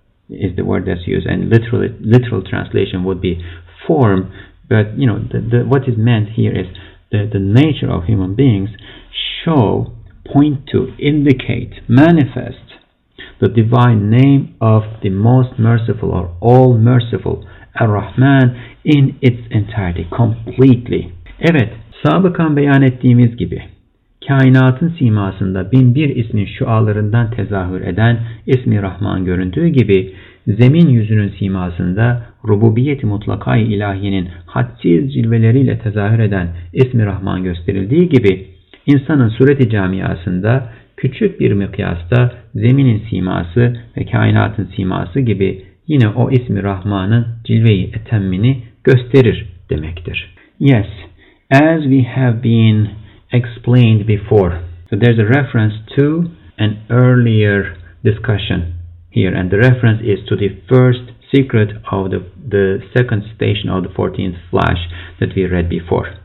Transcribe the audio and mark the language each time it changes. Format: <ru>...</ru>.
<en>is the word that's used, and literal translation would be form, but you know, the what is meant here is the nature of human beings show, point to, indicate, manifest the divine name of the most merciful or all merciful Ar-Rahman in its entirety, completely.</en> <tr>Evet, sabıkan beyan ettiğimiz gibi kainatın simasında bin bir ismin şualarından tezahür eden ismi Rahman göründüğü gibi zemin yüzünün simasında rububiyet-i mutlaka-i ilahiyenin hadsiz cilveleriyle tezahür eden ismi Rahman gösterildiği gibi insanın sureti camiasında küçük bir mıkyasta zeminin siması ve kainatın siması gibi yine o ismi Rahman'ın cilve-i etemmini gösterir demektir.</tr> <en>Yes, as we have been explained before, so there's a reference to an earlier discussion here, and the reference is to the first secret of the second station of the 14th flash that we read before.</en>